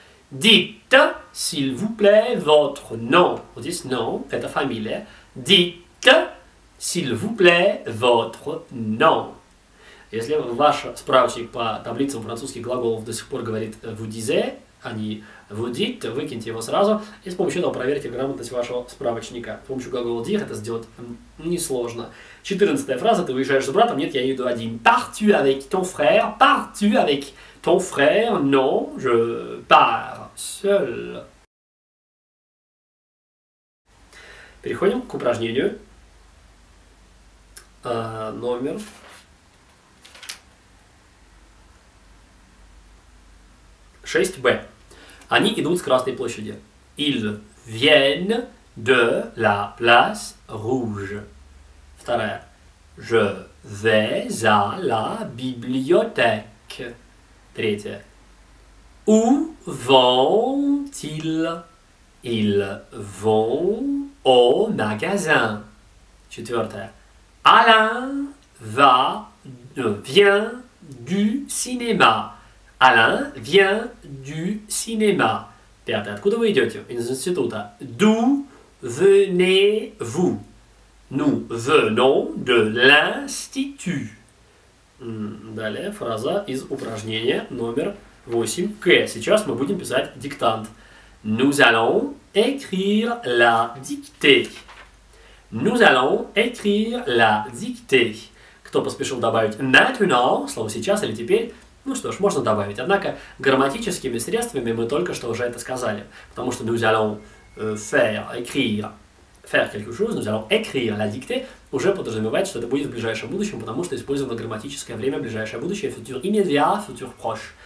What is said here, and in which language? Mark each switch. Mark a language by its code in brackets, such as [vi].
[fr] Dites, s'il vous plaît, votre nom. On dit non, [ru] это фамилия. [fr] Dites, s'il vous plaît, votre nom. [ru] Если ваш справочник по таблицам французских глаголов до сих пор говорит [fr] «vous disiez», [ru] а не [fr] «vous dites», [ru] выкиньте его сразу и с помощью этого проверьте грамотность вашего справочника. С помощью глагола «dire» это сделать несложно. 14-я фраза. Ты уезжаешь с братом? Нет, я еду один. [fr] Pars-tu avec ton frère? Pars-tu avec ton frère? Non, je pars seul. [ru] Переходим к упражнению. Номер... Шесть Б. Они идут с Красной площади. [fr] Ils viennent de la place rouge. [ru] Вторая. [fr] Je vais à la bibliothèque. [ru] Третья. [fr] Où vont-ils? Ils vont au magasin. [ru] Четвертая. [fr] Alain va vient du cinéma. Alain vient du cinéma. [ru] Пятое. Откуда вы идете? Из института. [fr] D'où venez-vous? Nous venons de l'institut. [ru] Далее фраза из упражнения номер 8К. Сейчас мы будем писать диктант. [fr] Nous allons écrire la dictée. Nous allons écrire la dictée. [ru] Кто поспешил добавить [fr] maintenant, [ru] слово сейчас или теперь? Ну что ж, можно добавить. Однако грамматическими средствами мы только что уже это сказали. Потому что [fr] nous allons faire quelque chose, nous allons écrire la dictée, [ru] уже подразумевает, что это будет в ближайшем будущем, потому что использовано грамматическое время, ближайшее будущее, [fr] futur immédiat, futur proche.